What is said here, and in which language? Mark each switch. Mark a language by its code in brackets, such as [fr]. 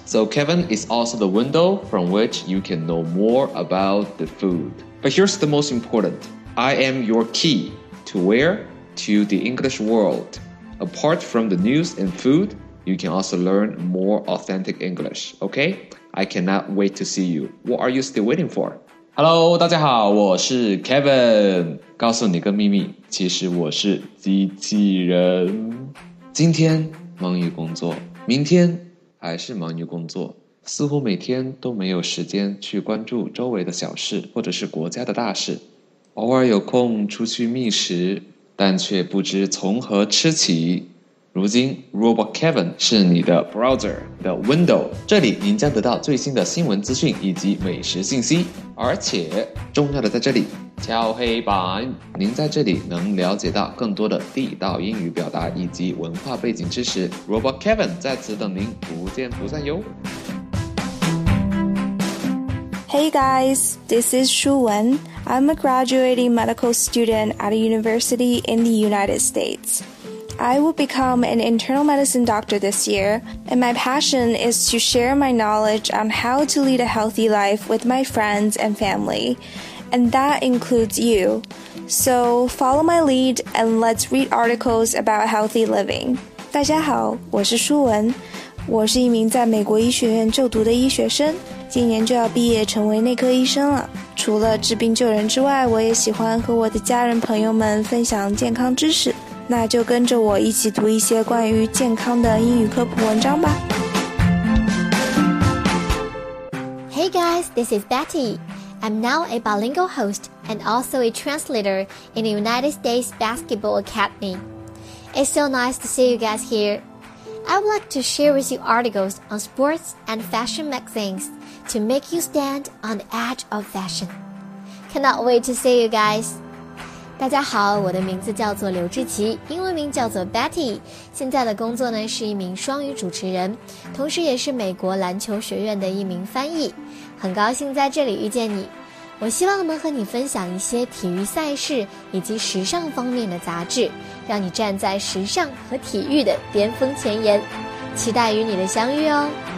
[en] So Kevin is also the window from which you can know more about the food. But here's the most important. I am your key to where? To the English world. Apart from the news and food, you can also learn more authentic English, okay? I cannot wait to see you. What are you still waiting for? [zh] Hello, 大家好，我是 Kevin。告诉你个秘密，其实我是机器人。今天忙于工作，明天还是忙于工作，似乎每天都没有时间去关注周围的小事或者是国家的大事。偶尔有空出去觅食，但却不知从何吃起。如今 Robot Kevin 是你的 Browser 的 Window， 这里您将得到最新的新闻资讯以及美食信息，而且重要的在这里敲黑板，您在这里能了解到更多的地道英语表达以及文化背景知识。 Robot Kevin 在此等您，不见不散哟。 [en] Hey guys, this is Shu Wen. I'm a graduating medical student at a university in the United States. I will become an internal medicine doctor this year, and my passion is to share my knowledge on how to lead a healthy life with my friends and family, and that includes you. So follow my lead and let's read articles about healthy living. [zh] 大家好，我是舒文，我是一名在美国医学院就读的医学生，今年就要毕业成为内科医生了。除了治病救人之外，我也喜欢和我的家人朋友们分享健康知识。那就跟着我一起读一些关于健康的英语科普文章吧。 [en] Hey guys, this is Betty. I'm now a bilingual host and also a translator in the United States Basketball Academy. It's so nice to see you guys here. I would like to share with you articles on sports and fashion magazines to make you stand on the edge of fashion. Cannot wait to see you guys. [zh] 大家好，我的名字叫做刘志奇，英文名叫做 Betty， 现在的工作呢是一名双语主持人，同时也是美国篮球学院的一名翻译，很高兴在这里遇见你。我希望能和你分享一些体育赛事以及时尚方面的杂志，让你站在时尚和体育的巅峰前沿，期待与你的相遇哦。